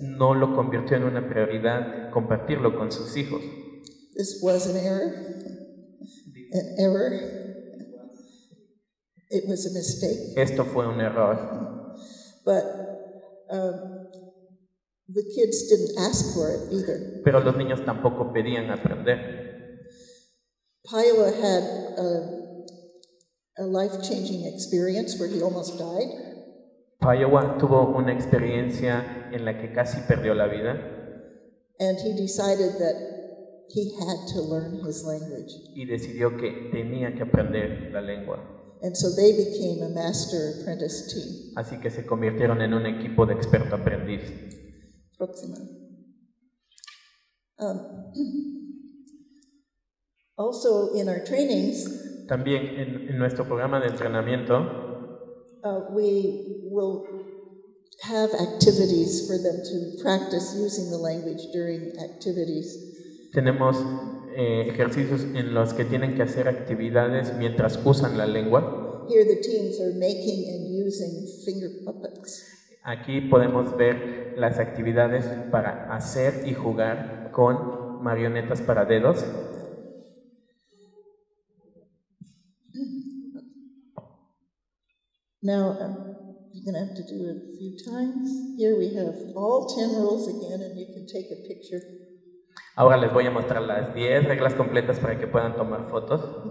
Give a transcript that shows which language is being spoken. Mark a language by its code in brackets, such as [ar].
[es] No lo convirtió en una prioridad compartirlo con sus hijos. [en] This was an error. An error. It was a mistake. [es] Esto fue un error. [en] But the kids didn't ask for it either. [es] Pero los niños tampoco pedían aprender. [en] Piowa had a life-changing experience where he almost died. [es] Piowa tuvo una experiencia en la que casi perdió la vida. [en] And he decided that he had to learn his language. [es] Y decidió que tenía que aprender la lengua. [en] And so they became a master apprentice team. [es] Así que se convirtieron en un equipo de experto aprendiz. Próxima. [en] Also in our trainings, [es] también en nuestro programa de entrenamiento, [en] we will have activities for them to practice using the language during activities. [es] Tenemos ejercicios en los que tienen que hacer actividades mientras usan la lengua. [en] Here the teams are making and using finger puppets. [es] Aquí podemos ver las actividades para hacer y jugar con marionetas para dedos. [en] Now you're going to have to do it a few times. Here we have all 10 rules again and you can take a picture. [es] Ahora les voy a mostrar las 10 reglas completas para que puedan tomar fotos.